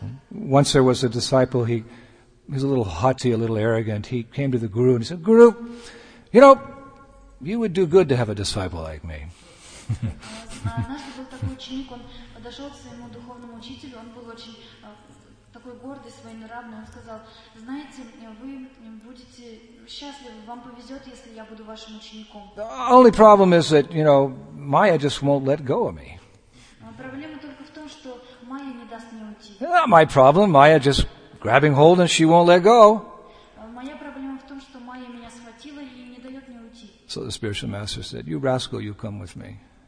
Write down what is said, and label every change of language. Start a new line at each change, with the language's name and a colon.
English: Once there was a disciple, he was a little haughty, a little arrogant. He came to the guru and he said, Guru, you know, you would do good to have a disciple like me.
Russian: Однажды был такой ученик, он подошел к своему духовному учителю, он был очень такой гордый, своенравный, он сказал, знаете, вы будете счастливы, вам повезет, если я буду вашим учеником.
English: The only problem is that, you know, Maya just won't let go of me.
Russian: Проблема только в том, что Maya не даст мне уйти.
English: Not my problem, Maya just grabbing hold and she won't let go.
Russian: Моя проблема в том, что Maya меня схватила и не дает мне уйти.
English: So the spiritual master said, you rascal, you come with me.